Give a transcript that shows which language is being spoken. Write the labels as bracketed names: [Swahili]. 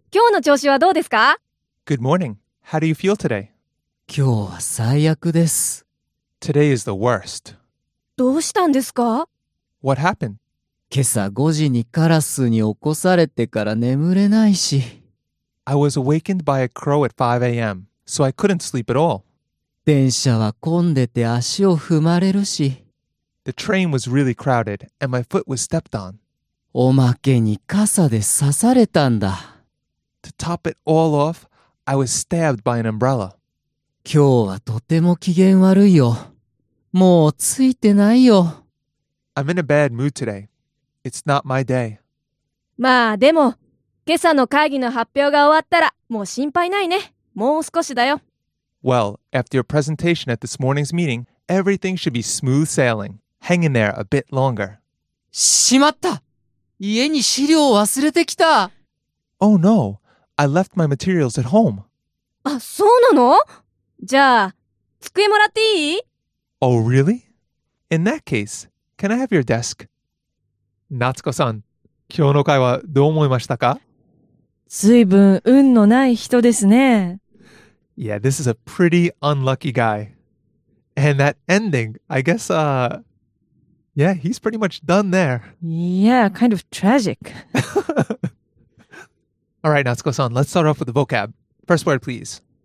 [Japanese] 今日の調子はどうですか？ [English] Good morning. How do you feel today? [Japanese] 今日は最悪です。 [English] Today is the worst. [Japanese] どうしたんですか？ [English] What happened? [Japanese] 今朝5時にカラスに起こされてから眠れないし。 [English] I was awakened by a crow at 5 a.m. So I couldn't sleep at all. [Japanese] 電車は混んでて足を踏まれるし。 [English] The train was really crowded and my foot was stepped on. [Japanese] おまけに傘で刺されたんだ。 [English] To top it all off, I was stabbed by an umbrella. [Japanese] 今日はとても機嫌悪いよ。もうついてないよ。 [English] I'm in a bad mood today. It's not my day. [Japanese] まあでも、今朝の会議の発表が終わったらもう心配ないね。もう少しだよ。 [English] Well, after your presentation at this morning's meeting, everything should be smooth sailing. Hang in there a bit longer. [Japanese] しまった！家に資料を忘れてきた！ [English] Oh no! I left my materials at home. [Japanese] あ、そうなの？じゃあ、机もらっていい？ [English] Oh really? In that case, can I have your desk? [Japanese] 夏子さん、今日の会話どう思いましたか？随分運のない人ですね。 [English] Yeah, this is a pretty unlucky guy. And that ending, I guess, yeah, he's pretty much done there. Yeah, kind of tragic. All right, Natsuko-san, let's start off with the vocab. First word, please.